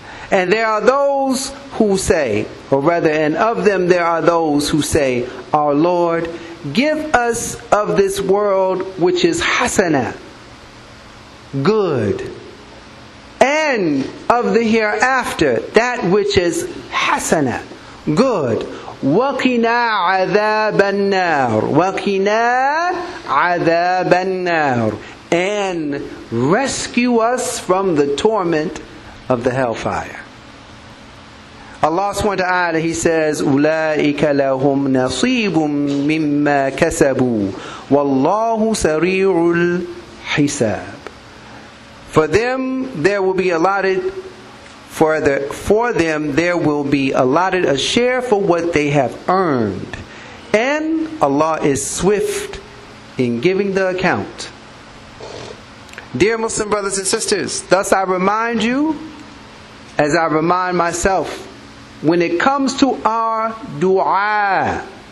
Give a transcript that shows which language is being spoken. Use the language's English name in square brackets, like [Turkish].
[English] And there are those who say, or rather, and of them there are those who say, Our Lord, give us of this world which is hasana, good, and of the hereafter that which is hasana, good. [Arabic] Waqina عذاب النار, waqina عذاب النار, [English] and rescue us from the torment of the hellfire. [Arabic] Allah subhanahu wa ta'ala, [English] He says, [Arabic] أُولَٰئِكَ لَهُمْ نَصِيبٌ مِّمَّا كَسَبُوا وَاللَّهُ سَرِيعُ الْحِسَابِ. [English] For them, there will be allotted, for them, there will be allotted a share for what they have earned. And Allah is swift in giving the account. Dear Muslim brothers and sisters, thus I remind you, as I remind myself, when it comes to our dua,